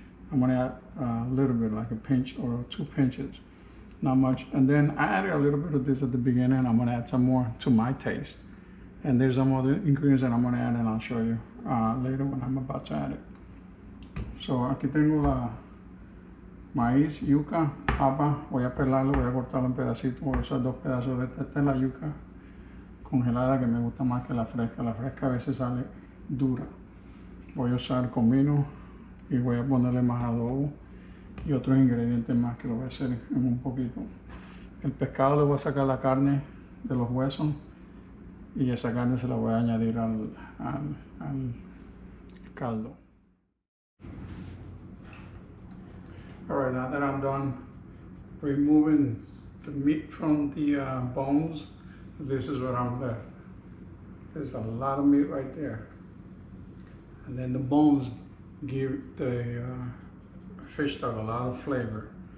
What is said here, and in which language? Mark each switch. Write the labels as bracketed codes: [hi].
[en] I'm going to add a little bit, like a pinch or 2 pinches, not much. And then I added a little bit of this at the beginning. I'm going to add some more to my taste. And there's some other ingredients that I'm going to add, and I'll show you later when I'm about to add it. [es] So aquí tengo la maíz, yuca, papa, voy a pelarlo, voy a cortarlo en pedacitos, voy a usar 2 pedazos de esta es la yuca congelada que me gusta más que la fresca a veces sale dura. Voy a usar comino y voy a ponerle más adobo y otros ingredientes más que lo voy a hacer en un poquito. El pescado le voy a sacar la carne de los huesos y esa carne se la voy a añadir al caldo. [en] Alright, now that I'm done removing the meat from the bones, this is what I'm left. There's a lot of meat right there. And then the bones give the fish stock a lot of flavor.